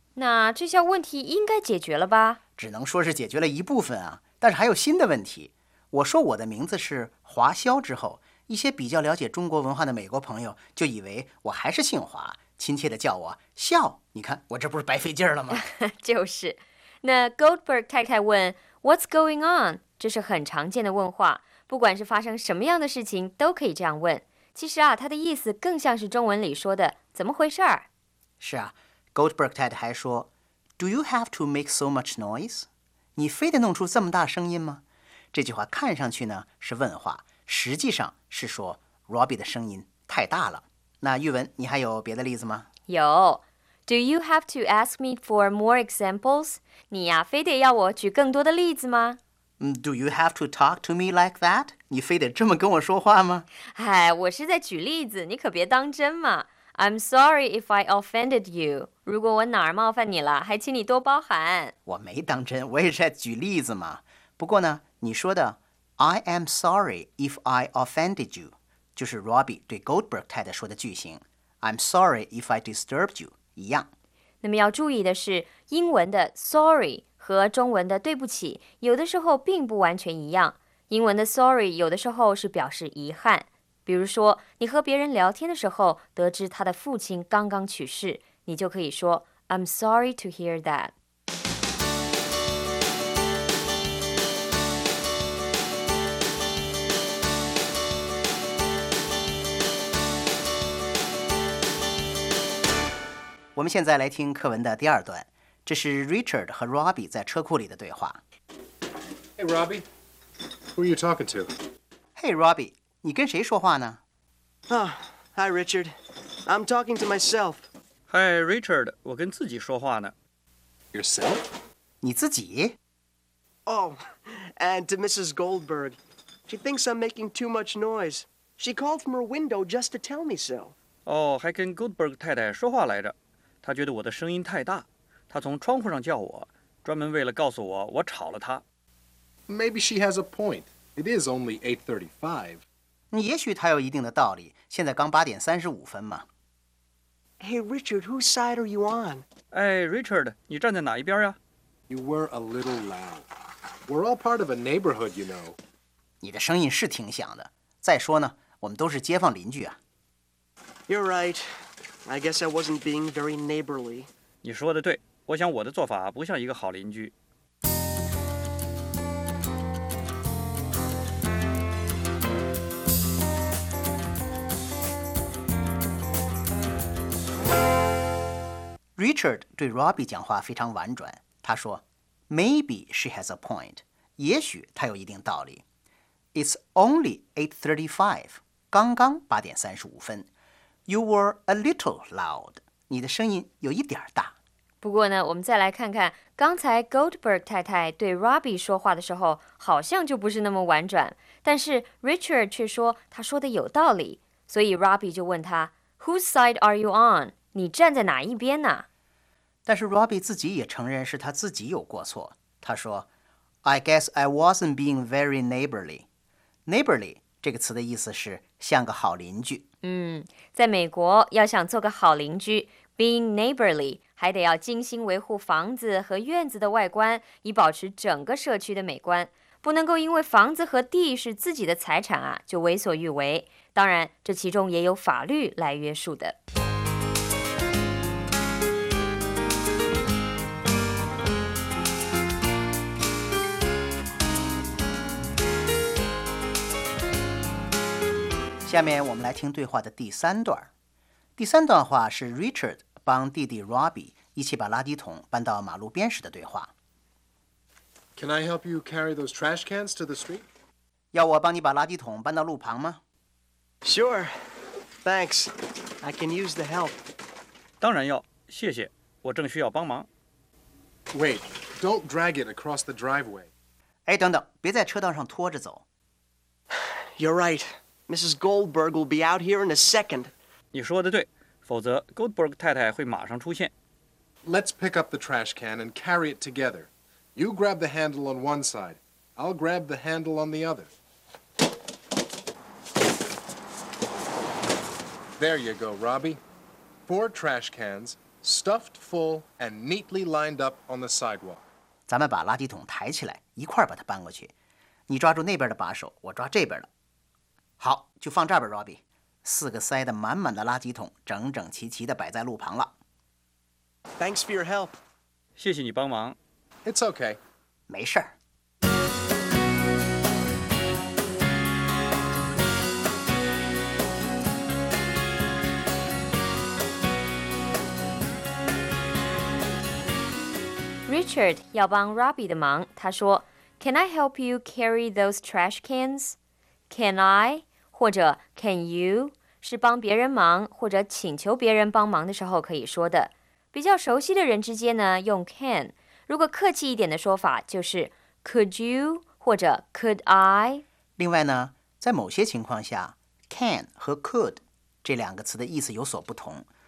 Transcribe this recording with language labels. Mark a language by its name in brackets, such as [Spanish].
[Chinese] 那这项问题应该解决了吧？只能说是解决了一部分啊，但是还有新的问题。我说我的名字是华笑之后，一些比较了解中国文化的美国朋友就以为我还是姓华，亲切地叫我笑。你看我这不是白费劲了吗？就是。那 Goldberg 太太问 [English] What's going on? [Chinese] 这是很常见的问话，不管是发生什么样的事情都可以这样问。其实啊，他的意思更像是中文里说的怎么回事儿。是啊 ,Goldberg 太太还说 [English] ,Do you have to make so much noise? [Chinese] 你非得弄出这么大声音吗？这句话看上去呢是问话，实际上是说 Robbie 的声音太大了。那玉文，你还有别的例子吗？有。 [English] Do you have to ask me for more examples? [Chinese] 你呀非得要我举更多的例子吗？ [English] Do you have to talk to me like that? [Chinese] 你非得这么跟我说话吗？哎，我是在举例子，你可别当真嘛。 [English] I'm sorry if I offended you. [Chinese] 如果我哪儿冒犯你了，还请你多包涵。我没当真，我也是在举例子嘛。不过呢，你说的 [English] I am sorry if I offended you [Chinese] 就是 Robbie 对 Goldberg 太太说的句型。 [English] I'm sorry if I disturbed you [Chinese] 一样。那么要注意的是，英文的 sorry 和中文的对不起有的时候并不完全一样。英文的 sorry 有的时候是表示遗憾。比如说你和别人聊天的时候得知他的父亲刚刚去世，你就可以说 [English] I'm sorry to hear that。 [Chinese] 我们现在来听课文的第二段，这是 Richard 和 Robbie 在车库里的对话。 [English] Hey Robbie, who are you talking to? Hey Robbie, [Chinese] 你跟谁说话呢？ [English] Ah, Hi, Richard. I'm talking to myself. Hi, Richard. [Chinese] 我跟自己说话呢。 [English] Yourself? [Chinese] 你自己？ [English] Oh, and to Mrs. Goldberg. She thinks I'm making too much noise. She called from her window just to tell me so. [Chinese] 哦，还跟 Goldberg 太太说话来着。她觉得我的声音太大。她从窗户上叫我，专门为了告诉我我吵了她。 [English] Maybe she has a point. It is only 8:35. [Chinese] 也许她有一定的道理。现在刚8:35嘛。 [English] Hey, Richard, whose side are you on? Hey, Richard, [Chinese] 你站在哪一边呀？ [English] You were a little loud. We're all part of a neighborhood, you know. [Chinese] 你的声音是挺响的。再说呢，我们都是街坊邻居啊。 [English] You're right. I guess I wasn't being very neighborly. [Chinese] 你说的对，我想我的做法不像一个好邻居。 Richard 对 Robbie 讲话非常婉转，他说 [English] Maybe she has a point， [Chinese] 也许她有一定道理。 [English] It's only 8:35， [Chinese] 刚刚8:35。 [English] You were a little loud， [Chinese] 你的声音有一点大。不过呢，我们再来看看刚才 Goldberg 太太对 Robbie 说话的时候好像就不是那么婉转，但是 Richard 却说他说的有道理，所以 Robbie 就问他 [English] Whose side are you on？ [Chinese] 你站在哪一边呢？但是 Robbie 自己也承认是他自己有过错。他说 [English] I guess I wasn't being very neighborly. [Chinese] Neighborly 这个词的意思是像个好邻居。在美国要想做个好邻居， [English] being neighborly [Chinese] 还得要精心维护房子和院子的外观，以保持整个社区的美观。不能够因为房子和地是自己的财产啊，就为所欲为。当然，这其中也有法律来约束的。下面我们来听对话的第三段。第三段话是 Richard 帮弟弟 Robbie 一起把垃圾桶搬到马路边时的对话。 [English] Can I help you carry those trash cans to the street? [Chinese] 要我帮你把垃圾桶搬到路旁吗？ [English] Sure. Thanks. I can use the help. [Chinese] 当然要，谢谢。我正需要帮忙。 [English] Wait, don't drag it across the driveway. [Chinese] 哎，等等，别在车道上拖着走。 [English] You're right. Mrs. Goldberg will be out here in a second. [Chinese] 你说的对，否则 Goldberg 太太会马上出现。 [English] Let's pick up the trash can and carry it together. You grab the handle on one side. I'll grab the handle on the other. There you go, Robbie. 4 trash cans, stuffed full and neatly lined up on the sidewalk. [Chinese] 咱们把垃圾桶抬起来，一块把它搬过去。你抓住那边的把手，我抓这边的。好，就放这儿吧 ，Robbie。四个塞得满满的垃圾桶，整整齐齐地摆在路旁了。 [English] Thanks for your help。 [Chinese] 谢谢你帮忙。 [English] It's okay。 [Chinese] 没事儿。 Richard 要帮 Robbie 的忙，他说 [English] ：“Can I help you carry those trash cans? Can I?” [Chinese] 或者 can you 是帮别人忙或者请求别人帮忙的时候可以说的。比较熟悉的人之间呢，用 can。如果客气一点的说法，就是 could you 或者 could I。另外呢，在某些情况下 ，can 和 could 这两个词的意思有所不同。